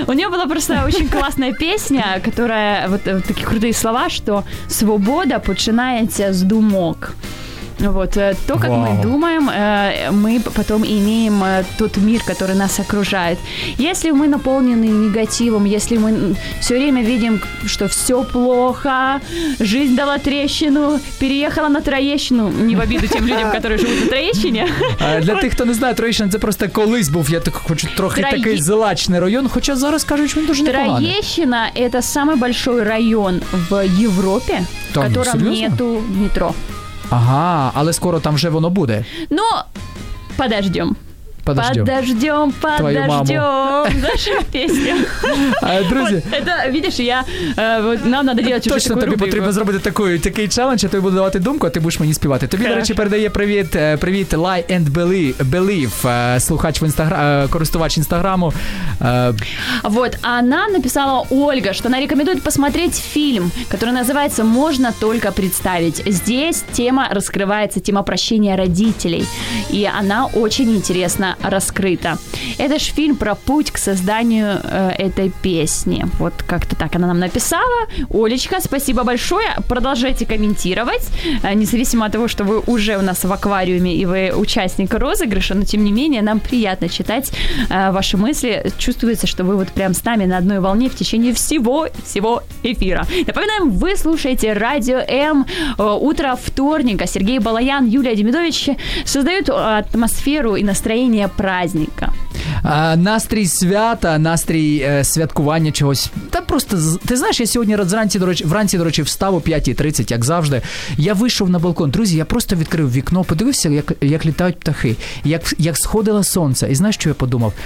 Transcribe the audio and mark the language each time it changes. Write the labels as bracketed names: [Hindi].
[Ukrainian] У нього була просто [Russian] очень [Ukrainian] класна пісня, [Russian] которая вот [Ukrainian] такі круті слова, що свобода починається з думок. [Russian] Вот, то, как мы думаем, мы потом имеем тот мир, который нас окружает. Если мы наполнены негативом, если мы все время видим, что все плохо, жизнь дала трещину, переехала на Троещину, не в обиду тем людям, которые живут на Троещине. [Ukrainian] Для тех, кто не знает, Троещина, [Russian] это просто [Ukrainian] колись був, я так хочу, трохи такий злачний район, хоча зараз кажуть, що він дуже непоганий. [Russian] Троещина – это самый большой район в Европе, в котором нету метро. [Ukrainian] Ага, але скоро там вже воно буде. [Russian] Ну, подождем. Подождем, подождем. Наша песня. [Ukrainian] Друзі, [Russian] вот, это, видиш, я, вот, нам надо делать уже такую [Ukrainian] Точно тобі потрібно зробити такий челендж, я тобі буду давати думку, а ти будеш мені співати. Тобі, [Russian] хорошо. [Ukrainian] До речі, передає привіт Lie and Believe, слухач в Instagram, користувач Інстаграму. [Russian] Вот, она написала, Ольга, что она рекомендует посмотреть фильм, который называется «Можно только представить». Здесь тема раскрывается, тема прощения родителей. И она очень интересно раскрыта. Это ж фильм про путь к созданию этой песни. Вот как-то так она нам написала. Олечка, спасибо большое. Продолжайте комментировать. Независимо от того, что вы уже у нас в аквариуме и вы участник розыгрыша, но тем не менее нам приятно читать ваши мысли. Чувствуется, что вы вот прям с нами на одной волне в течение всего-всего эфира. Напоминаем, вы слушаете Радио М. Утро вторника. Сергей Балаян, Юлия Демидович создают атмосферу и настроение праздника. [Ukrainian] Настрій свята, настрій святкування чогось. Та просто, ти знаєш, я сьогодні вранці, до речі, встав о 5:30, як завжди. Я вийшов на балкон. Друзі, я просто відкрив вікно, подивився, як літають птахи, як сходило сонце. І знаєш, що я подумав?